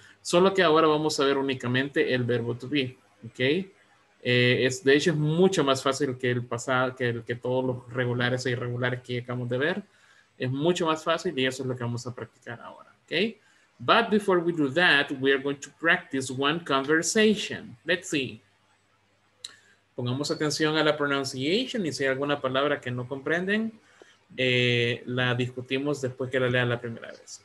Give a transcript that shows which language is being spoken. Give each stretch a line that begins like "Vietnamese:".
Spanish: Solo que ahora vamos a ver únicamente el verbo to be. Ok. De hecho, es mucho más fácil que el pasado, que todos los regulares e irregulares que acabamos de ver. Es mucho más fácil y eso es lo que vamos a practicar ahora. Ok.
English: But before we do that, we are going to practice one conversation. Let's see.
Spanish: Pongamos atención a la pronunciation y si hay alguna palabra que no comprenden, la discutimos después que la lean la primera vez.